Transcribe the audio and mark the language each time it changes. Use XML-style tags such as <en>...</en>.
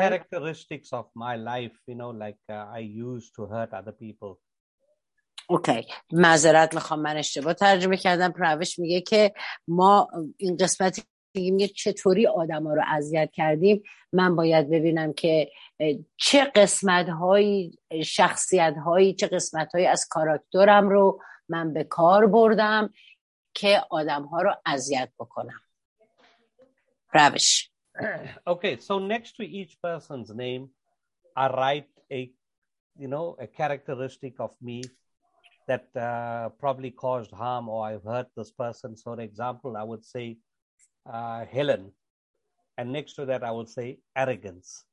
<en>Characteristics of my life, you know, like I used to hurt other people.</en> <fa>اوکی، معذرت میخوام، من اشتباه ترجمه کردم. پروش میگه که ما این قسمتی میگیم که چطوری آدم ها رو اذیت کردیم، من باید ببینم که چه قسمت های شخصیت هایی، چه قسمت هایی از کاراکترم رو من به کار بردم که آدم ها رو اذیت بکنم. روش.</fa> <en>Okay, so next to each person's name I write a, you know, a characteristic of me that probably caused harm or I've hurt this person. So for example I would say Helen, and next to that I will say arrogance.</en>